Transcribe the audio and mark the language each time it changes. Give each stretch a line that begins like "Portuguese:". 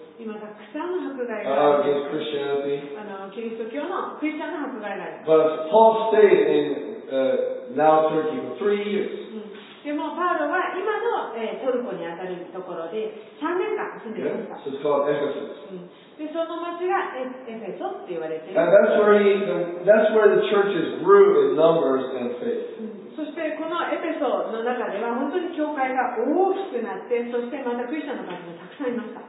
Japanese: 今たくさんの迫害がありますキリスト教のクリスチャンの迫害があります。
English: But Paul stayed in now Turkey for 3 years.、
Japanese: でもパウロは今の、トルコにあたるところで3年間住んでいました。
English: So it's called Ephesus.、
Japanese: でその町がエフェソって言われている。
English: And that's where the churches grew in numbers and faith.、
Japanese: そしてこのエフェソの中では本当に教会が大きくなって、そしてまたクリスチャンの方もたくさんいました。